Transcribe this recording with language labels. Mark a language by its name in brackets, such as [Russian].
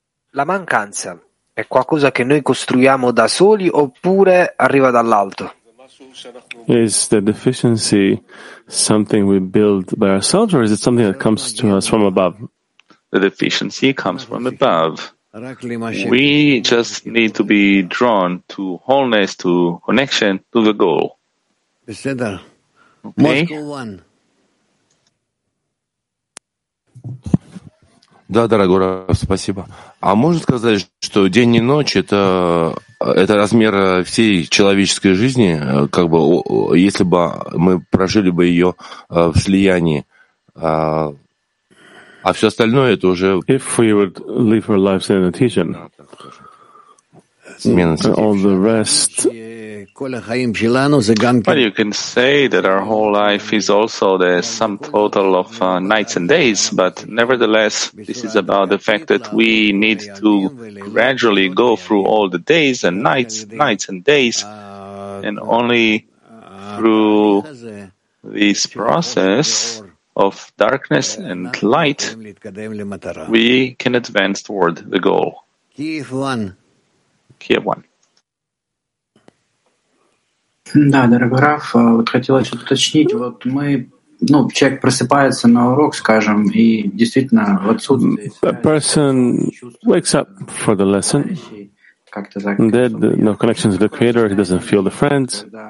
[Italian] La mancanza è qualcosa che noi costruiamo da soli oppure arriva dall'alto? [English] Is the deficiency something we build by ourselves, or is it something that comes to us from above? The deficiency comes from above. We just need to be drawn to wholeness, to connection, to the goal. Okay. [Russian] Да, дорогой Рав, спасибо. А можно сказать, что день и ночь это размер всей человеческой жизни, как бы если бы мы прожили бы ее в слиянии, а все остальное это уже. [English] If we would live our lives in a teaching, all the rest. Well, you can say that our whole life is also the sum total of nights and days, but nevertheless, this is about the fact that we need to gradually go through all the days and nights and days, and only through this process of darkness and light, we can advance toward the goal. Kiev 1. [Russian] Да, дорогой Раф, вот хотелось уточнить, вот мы, ну, человек просыпается на урок, скажем, и действительно в отсутствии... [English] A person wakes up for the lesson, and then no connection to the Creator, he doesn't feel the friends.